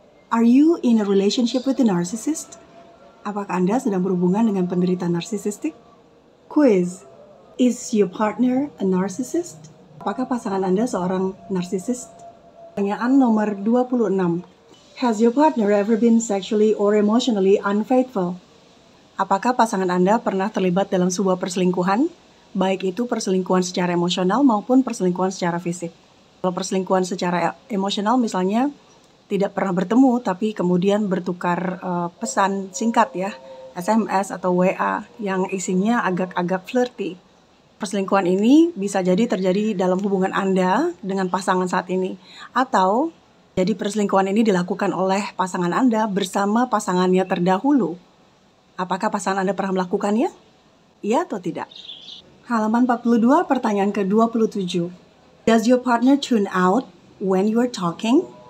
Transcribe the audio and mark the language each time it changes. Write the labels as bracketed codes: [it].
[en] Are you in a relationship with a narcissist? [id] Apakah Anda sedang berhubungan dengan penderita narsisistik? Quiz. [en] Is your partner a narcissist? [id] Apakah pasangan Anda seorang narcissist? Pertanyaan nomor 26. [en] Has your partner ever been sexually or emotionally unfaithful? [id] Apakah pasangan Anda pernah terlibat dalam sebuah perselingkuhan? Baik itu perselingkuhan secara emosional maupun perselingkuhan secara fisik. Kalau perselingkuhan secara emosional misalnya tidak pernah bertemu tapi kemudian bertukar pesan singkat ya. SMS atau WA yang isinya agak-agak flirty. Perselingkuhan ini bisa jadi terjadi dalam hubungan Anda dengan pasangan saat ini. Atau jadi perselingkuhan ini dilakukan oleh pasangan Anda bersama pasangannya terdahulu. Apakah pasangan Anda pernah melakukannya? Iya atau tidak? Halaman 42, pertanyaan ke-27. [en] Does your partner tune out when you are talking?